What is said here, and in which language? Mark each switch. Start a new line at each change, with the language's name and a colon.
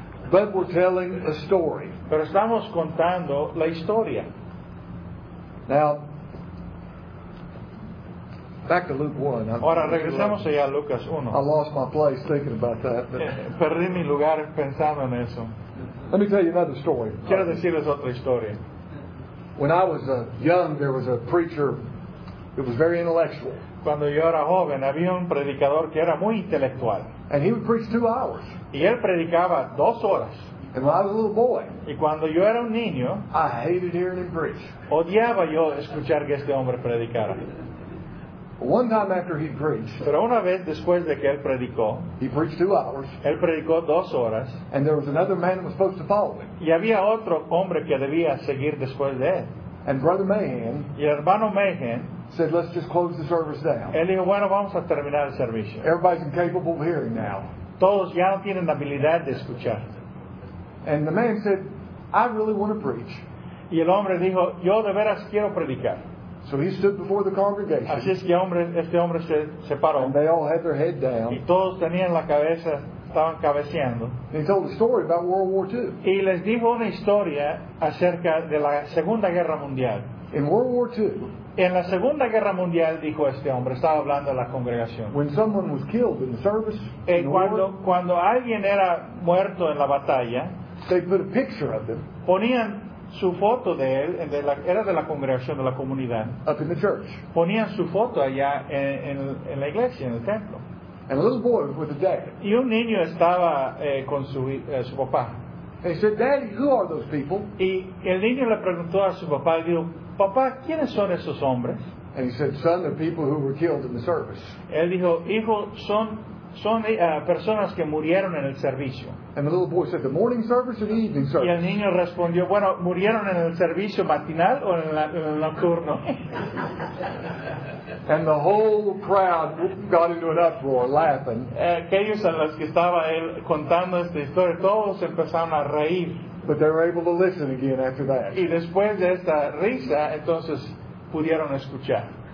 English: But we're telling a story.
Spanish: Pero estamos contando la historia.
English: Now, back to Luke 1.
Spanish: Ahora regresamos allá a Lucas 1.
English: I lost my place thinking about that.
Spanish: Perdí mi lugar pensando en eso.
English: Let me tell you another story.
Spanish: Quiero decirles otra historia.
English: When I was young, there was a preacher. It was very intellectual.
Spanish: Cuando yo era joven, había un predicador que era muy intelectual.
English: And he would preach 2 hours.
Spanish: Y él predicaba 2 horas.
English: And when I was a little boy,
Spanish: y cuando yo era un niño,
English: I hated hearing him preach.
Spanish: Odiaba yo escuchar que este hombre predicara.
English: One time after he preached,
Spanish: pero una vez después de que él predicó,
English: he preached 2 hours.
Spanish: Él predicó 2 horas.
English: And there was another man who was supposed to follow him.
Spanish: Y había otro hombre que debía seguir después de él.
English: And Brother Mahan,
Spanish: y el hermano Mahan,
English: said, "Let's just close the service down."
Spanish: Él dijo, bueno, vamos a terminar el servicio.
English: Everybody's incapable of hearing now.
Spanish: Todos ya no tienen la habilidad de escuchar.
English: And the man said, "I really want to preach."
Spanish: Y el hombre dijo, yo de veras quiero predicar.
English: So he stood before the congregation.
Spanish: Así es que este hombre se paró.
English: And they all had their head down.
Spanish: Y todos tenían la cabeza, estaban cabeceando.
English: And he told a story about World War II.
Spanish: Y les dijo una historia acerca de la Segunda Guerra Mundial.
English: In World War II,
Spanish: en la Segunda Guerra Mundial, dijo este hombre, estaba hablando a la congregación.
English: When someone was killed in the service,
Spanish: cuando alguien era muerto en la batalla,
English: they put a picture of them.
Spanish: Ponían su foto de él, era de la congregación, de la comunidad.
English: Up in the church.
Spanish: Ponían su foto allá en la iglesia, en el templo.
English: And a little boy was with a dad.
Spanish: Y un niño estaba con su papá.
English: They said, "Daddy, who are those people?"
Spanish: Y el niño le preguntó a su papá, dijo, papá, ¿quiénes son esos hombres?
English: And he said, "Son, they're people who were killed in the service."
Spanish: Él dijo, hijo, son personas que murieron en el servicio.
English: And the little boy said, "The morning service or the evening service?"
Spanish: Y el niño respondió, bueno, ¿murieron en el servicio matinal o en el nocturno?
English: And the whole crowd got into an uproar, laughing.
Spanish: Aquellos a los que estaba él contando esta historia, todos empezaron a reír.
English: But they were able to listen again after that.
Spanish: Y después de esta risa, entonces pudieron escuchar.